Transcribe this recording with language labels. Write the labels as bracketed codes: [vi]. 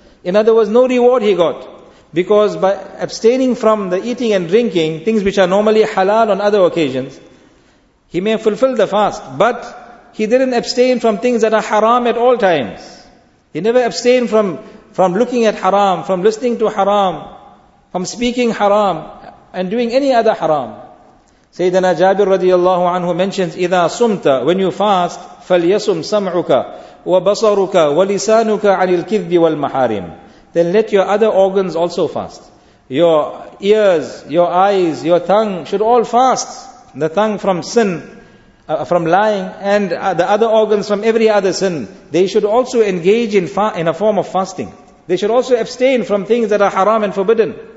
[en] In other words, no reward he got. Because by abstaining from the eating and drinking, things which are normally halal on other occasions, he may fulfill the fast, but he didn't abstain from things that are haram at all times. He never abstained from looking at haram, from listening to haram, from speaking haram, and doing any other haram. [ar] Sayyidina Jabir radiallahu anhu mentions, إِذَا صُمْتَ, [en] when you fast, [ar] فَلْيَصُمْ سَمْعُكَ وَبَصَرُكَ وَلِسَانُكَ عَنِ الْكِذْبِ وَالْمَحَارِمِ. [en] Then let your other organs also fast. Your ears, your eyes, your tongue should all fast. The tongue from sin, from lying, and the other organs from every other sin. They should also engage in a form of fasting. They should also abstain from things that are haram and forbidden.